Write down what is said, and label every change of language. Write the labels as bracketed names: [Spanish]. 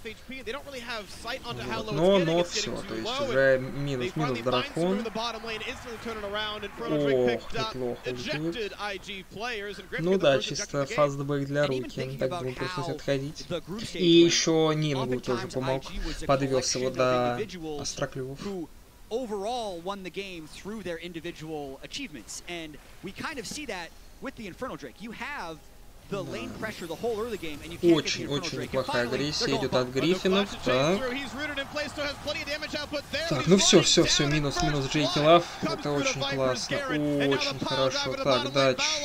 [Russian] Вот. Но все, то есть уже минус дракон. Ох, неплохо ждет. Ну да, чисто фастбэк для руки, так бы ему пришлось отходить. И еще Нингу тоже помог, подвез его до остроклювов. [English] Overall won the game through their individual achievements, and we kind of see that with the Infernal Drake. You have the lane pressure the whole early game, and you can't get the Infernal Drake. [Russian] Очень-очень плохая агрессия идет от Гриффинов, так. Ну все, минус Джейки Лав, это очень классно, очень хорошо. Так, дач.